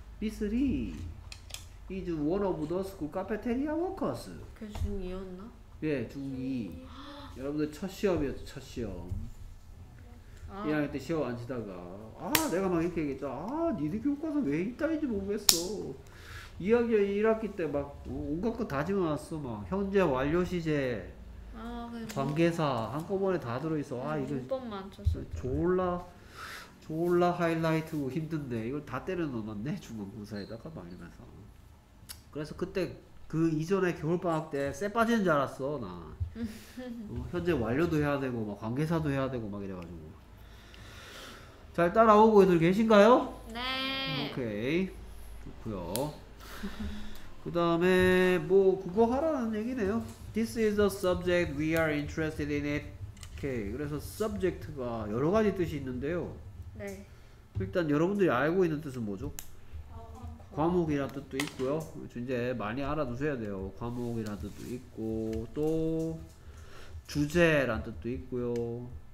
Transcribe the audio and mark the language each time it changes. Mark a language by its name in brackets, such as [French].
[English] This Lee is one of the school cafeteria workers. [Korean] 그게 중2였나? 예, 중2. 여러분들 첫 시험이었죠, 첫 시험. 아. 1학년 때 시험 안 치다가 아, 내가 막 이렇게 얘기했죠. 아, 니들 교과서 왜 이따인지 모르겠어. 2학년 1학기 때 막 온갖 거 다 집어놨어. 막 현재 완료 시제 관계사 한꺼번에 다 들어있어. 아, 이거 문법 많쳤어. 졸라 졸라 하이라이트고 힘든데 이걸 다 때려 넣어놨네 중간고사에다가 막 이러면서. 그래서 그때 그 이전에 겨울방학 때 쎄 빠지는 줄 알았어 나. 현재 완료도 해야 되고 막 관계사도 해야 되고 막 이래가지고. 잘 따라오고 애들 계신가요? 네. 오케이 좋고요. 그 다음에 뭐 그거 하라는 얘기네요. [English] This is a subject we are interested in it. [Korean] 오케이. 그래서 subject가 여러 가지 뜻이 있는데요. 네. 일단 여러분들이 알고 있는 뜻은 뭐죠? 과목이라는 뜻도 있고요. 이제 많이 알아두셔야 돼요. 과목이라는 뜻도 있고 또 주제라는 뜻도 있고요.